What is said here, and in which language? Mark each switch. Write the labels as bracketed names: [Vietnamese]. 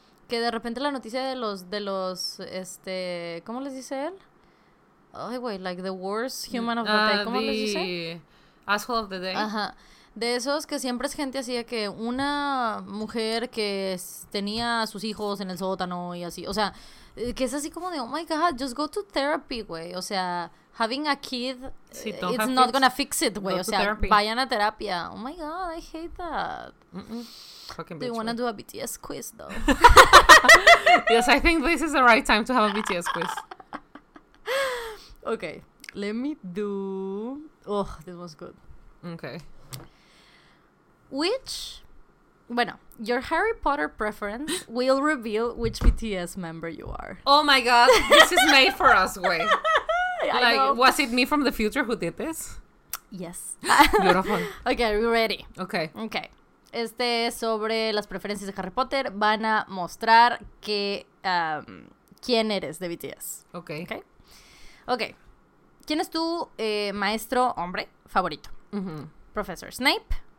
[Spanish] Que de repente la noticia de los ¿cómo les dice él? Ay, güey. [English] Like the worst human of the day. [Spanish] ¿Cómo les dice? [English] Asshole of the day. Ajá. [Spanish] De esos que siempre es gente así de que una mujer que tenía a sus hijos en el sótano y así. O sea, que es así como de, [English] oh my god, just go to therapy, [Spanish] güey. O sea, [English] having a kid, sí, it's not gonna fix it, güey. [Spanish] O sea, vayan a terapia. [English] Oh my god, I hate that. Mm-mm. Do you wanna do a BTS quiz, though? Yes, I think this is the right time to have a BTS quiz. Okay, let me do... Oh, this was good. Okay. Bueno, your Harry Potter preference will reveal which BTS member you are. Oh my god, this is made for us, güey. Like, know. Was it me from the future who did this? Yes. Beautiful. Okay, are you ready? Okay. Okay. [Spanish] Sobre las preferencias de Harry Potter, van a mostrar que, quién eres de BTS. Okay. Okay. Okay. ¿Quién es tu maestro hombre favorito? Mm-hmm. [English] Professor Snape.